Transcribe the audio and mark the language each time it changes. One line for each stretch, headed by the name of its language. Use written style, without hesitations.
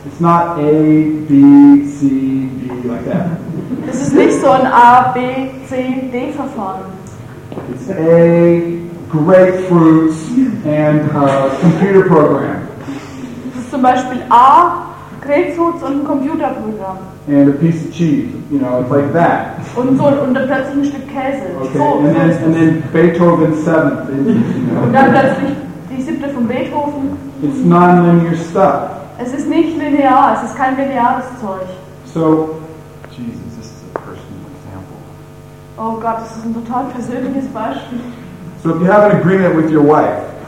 English: It's not A, B, C, D, like that.
German: Es ist nicht so ein A, B, C, D Verfahren.
English: It's A, grapefruits, and a computer program.
German: Es ist zum Beispiel A, grapefruits und ein Computerprogramm.
English: And a piece of cheese, you know, it's like that.
German: Und so, und dann plötzlich ein Stück Käse.
English: Okay, so, and then Beethoven's seventh. You know.
German: Und dann plötzlich die siebte von Beethoven.
English: It's non-linear stuff.
German: Es ist nicht linear, es ist kein lineares Zeug.
English: So, Jesus, this is a personal example.
German: Oh Gott, das ist ein total persönliches Beispiel.
English: So if you have an agreement with your wife.